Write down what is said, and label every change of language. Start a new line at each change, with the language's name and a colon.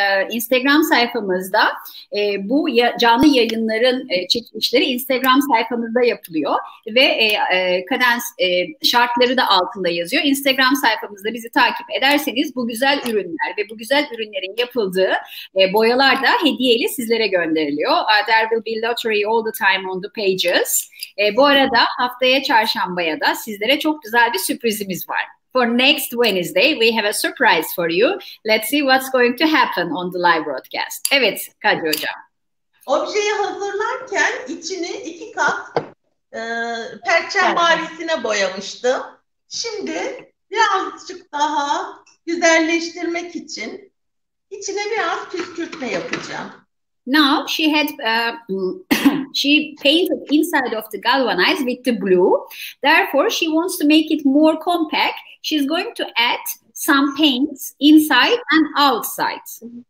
Turkish: Instagram sayfamızda bu canlı yayınların çekilişleri Instagram sayfamızda yapılıyor. Ve kadens şartları da altında yazıyor. Instagram sayfamızda bizi takip ederseniz bu güzel ürünler ve bu güzel ürünlerin yapıldığı boyalar da hediyeli sizlere gönderiliyor.
English: There will be lottery all the time on the pages.
Turkish: Bu arada haftaya çarşambaya da sizlere çok güzel bir sürprizimiz var.
English: For next Wednesday, we have a surprise for you. Let's see what's going to happen on the live broadcast.
Turkish: Evet, Kadri Hocam. Objeyi hazırlarken içini iki kat perçem marisine boyamıştım. Şimdi birazcık daha güzelleştirmek için içine biraz püskürtme yapacağım.
English: Now she had she painted inside of the galvanized with the blue. Therefore, she wants to make it more compact. She's going to add some paints inside and outside.